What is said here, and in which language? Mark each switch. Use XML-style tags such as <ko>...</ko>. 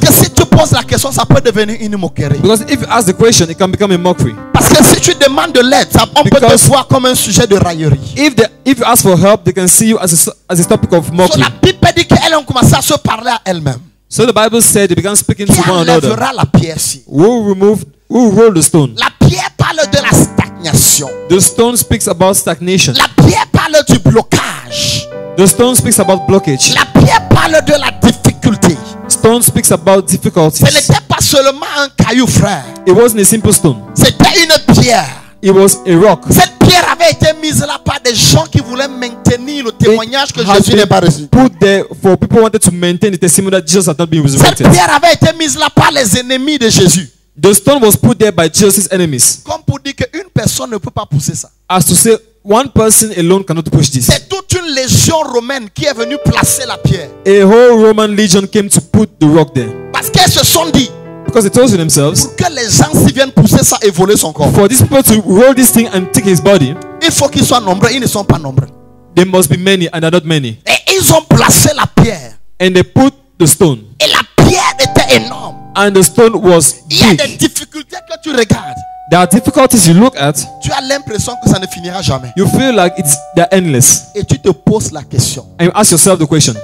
<fr>Parce que si tu poses la question, ça peut devenir une moquerie.</fr> <en>Because if you ask the question, it can become a mockery.</en> <fr>Parce que si tu demandes de l'aide, ça on peut te voir comme un sujet de raillerie.</fr> <en>If you ask for help, they can see you as a topic of mockery.</en> <fr>La Bible dit qu'elle a commencé à se parler à elle-même.</fr> <en>So the Bible said they began speaking to one another.</en> <fr>Qui enlèvera la pierre si?</fr> <en>Who removed? Who rolled the stone?</en> <fr>La pierre parle de la stagnation.</fr> <en>The stone speaks about stagnation.</en> <fr>La pierre parle du blocage.</fr> <en>The stone speaks about blockage.</en> <fr>La pierre parle de la difficulté.</fr> <en>Stone speaks about difficulties.</en> <fr>Ce n'était pas seulement un caillou, frère.</fr> <en>It wasn't a simple stone.</en> <fr>C'était une pierre.</fr> <en>It was a rock.</en> <fr>Cette pierre avait été mise là par des gens qui voulaient maintenir le témoignage</fr> <en>it</en> <fr>que Jésus n'est pas reçu.</fr> <en>Put there for people wanted to maintain the testimony that Jesus had not been resurrected.</en> <fr>Cette pierre avait été mise là par les ennemis de Jésus.</fr> <en>The stone was put there by Jesus' enemies.</en> <fr>Comme pour dire qu'une personne ne peut pas pousser ça.</fr> <en>As to say, one person alone cannot push this.</en> <fr>C'est toute une légion romaine qui est venue placer la pierre.</fr> <en>A whole Roman legion came to put the rock there.</en> <fr>Parce qu'elles se sont dit.</fr> <en>Because they told to themselves.</en> <fr>Pour que les gens s'y viennent pousser ça et voler son corps.</fr> <en>For these people to roll this thing and take his body.</en> <fr>Il faut qu'ils soient nombreux, ils ne sont pas nombreux.</fr> <en>They must be many and are not many.</en> <fr>Et ils ont placé la pierre.</fr> <en>And they put the stone.</en> <fr>Et la pierre était énorme.</fr> <en>And the stone was big.</en> <fr>Il y a des difficultés que tu regardes.</fr> <en>There are difficulties you look at.</en> <fr>Tu as l'impression que ça ne finira jamais.</fr> <en>You feel like they're endless.</en> <fr>Et tu te poses la question.</fr> <en>And you ask yourself the question.</en>